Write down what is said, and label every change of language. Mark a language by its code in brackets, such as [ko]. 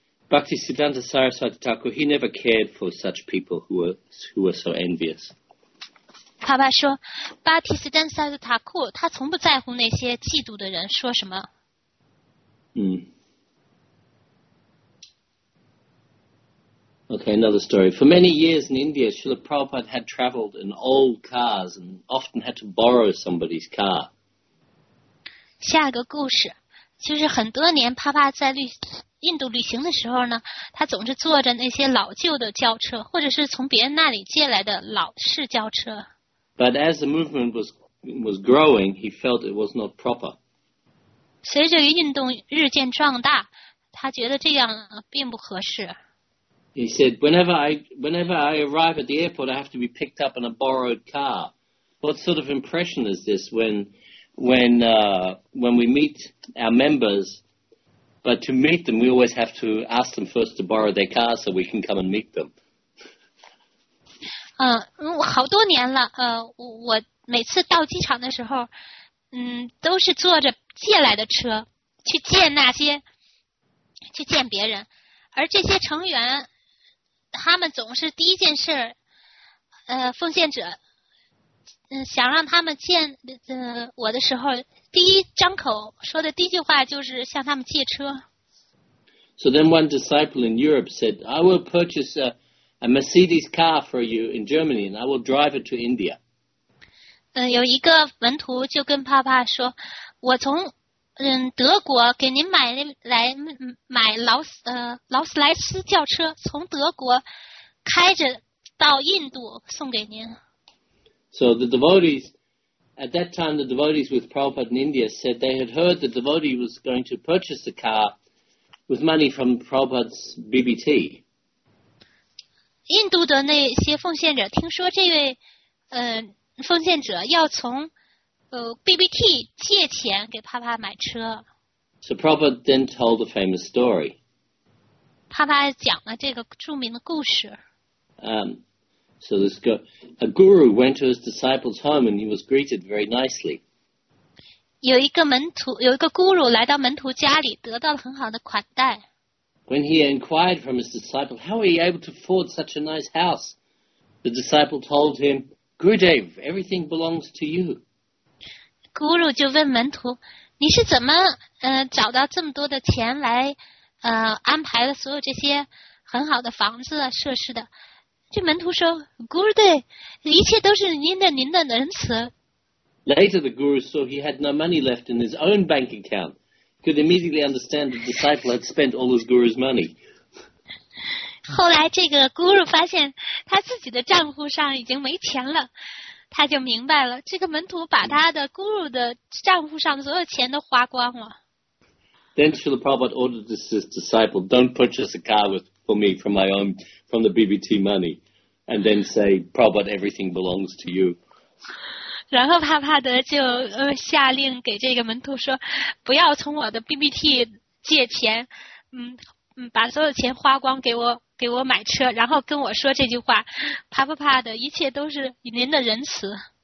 [en] Bhakti Siddhanta Saraswati Thakur, he never cared for such people who were so envious. [zh] 帕帕说，巴提斯丹萨斯塔库他从不在乎那些嫉妒的人说什么。 [en] Okay, another story. For many years in India, Srila Prabhupada had traveled in old cars and often had to borrow somebody's car. [zh] 下个故事，就是很多年帕帕在印度旅行的时候呢，他总是坐着那些老旧的轿车，或者是从别人那里借来的老式轿车。 [en] But as the movement was growing, he felt it was not proper. [zh] 随着运动日渐壮大，他觉得这样并不合适。 [en] He said, whenever I arrive at the airport, I have to be picked up in a borrowed car. What sort of impression is this when we meet our members, but to meet them, we always have to ask them first to borrow their car so we can come and meet them. [zh] 好多年了，我每次到机场的时候，都是坐着借来的车去见别人，而这些成员他们总是第一件事，奉献者，想让他们见我的时候，第一张口说的第一句话就是向他们借车。 [en] So then one disciple in Europe said, "I will purchase a Mercedes car for you in Germany, and I will drive it to India." [zh] 有一个门徒就跟帕帕说，我从德国给您买劳斯莱斯轿车，从德国开着到印度送给您。 [en] So the devotees, at that time the devotees with Prabhupada in India said they had heard the devotee was going to purchase the car with money from Prabhupada's BBT. [zh] 印度的那些奉献者听说这位奉献者要从BBT 借钱给帕帕买车。 [en] So Prabhupada then told a famous story. [zh] 帕帕讲了这个著名的故事。 [en] So this a guru went to his disciples' home and he was greeted very nicely. [zh] 有一个 guru 来到门徒家里，得到了很好的款待。 [en] When he inquired from his disciple, "How are you able to afford such a nice house?" The disciple told him, "Gurudev, everything belongs to you." [zh] 咕噜就问门徒，你是怎么找到这么多的钱来安排了所有这些很好的房子啊设施的。这门徒说，咕噜对，一切都是您的仁慈。 [en] Later the guru saw he had no money left in his own bank account. Could immediately understand the disciple had spent all his guru's money. [zh] 后来这个咕噜发现他自己的账户上已经没钱了。他就明白了，这个门徒把他的 guru 的账户上的所有钱都花光了。 [en] Then Srila Prabhupada ordered his disciple, "Don't purchase a car for me from my own, from the BBT money," and then say, "Prabhupada, everything belongs to you." [zh] 然后帕帕德就下令给这个门徒说，不要从我的 BBT 借钱，把所有钱花光给我买车，然后跟我说这句话，怕不怕的？一切都是以您的仁慈。